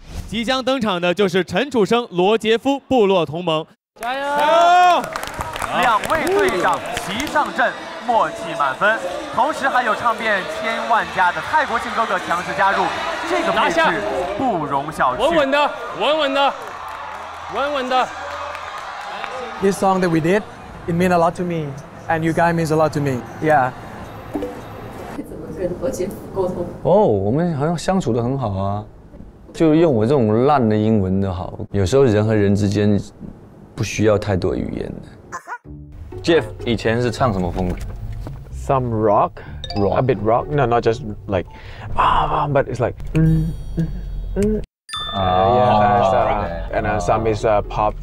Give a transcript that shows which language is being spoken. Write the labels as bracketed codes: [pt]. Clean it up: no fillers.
[zh] 即将登场的就是陈楚生、罗杰夫部落同盟，加油！两位队长齐上阵，默契满分。同时还有唱遍千万家的蔡国庆哥哥强势加入，这个配置不容小觑。稳稳的，稳稳的，稳稳的。 [en] This song that we did, it means a lot to me, and you guys means a lot to me. Yeah. [zh] 跟何姐沟通哦，我们好像相处得很好啊，就用我这种烂的英文的好，有时候人和人之间不需要太多语言的。 Jeff 以前是唱什么风格？ [en] Some rock, rock, a bit rock. No, not just like, but it's like, and some is pop.